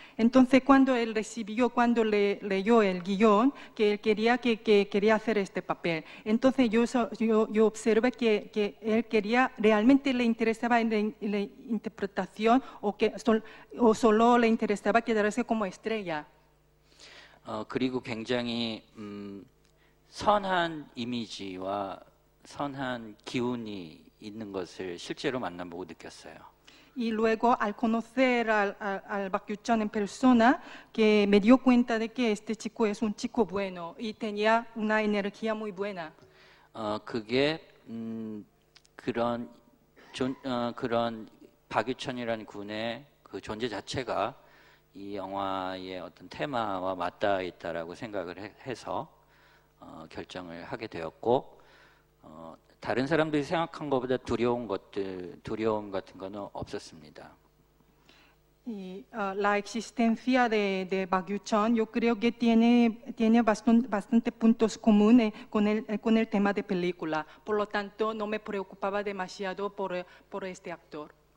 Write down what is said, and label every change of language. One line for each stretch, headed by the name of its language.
Spanish: Entonces cuando él recibió, cuando le leyó el guion, que él quería que quería hacer este papel. Entonces yo observé que él quería realmente le interesaba en la interpretación o solo le interesaba quedarse como estrella.
Korean: 그리고 굉장히 선한 이미지와 선한 기운이 있는 것을 실제로 만나보고 느꼈어요.
Spanish: Y luego al conocer al Park Yoo-chun en persona, que me dio cuenta de que este chico es un chico bueno y tenía una energía muy buena.
Korean: 그게 그런 그런 Park Yoo-chun이라는 군의 그 존재 자체가 이 영화의 어떤 테마와 맞닿아 있다라고 생각을 해서 결정을 하게 되었고 다른 사람들이 생각한 것보다 두려운 것들 두려움 같은 거는 없었습니다.
Spanish: Y la existencia de Park Yoo-chun, yo creo que tiene bastante puntos comunes con el tema de película. Por lo tanto, no me preocupaba demasiado por este actor.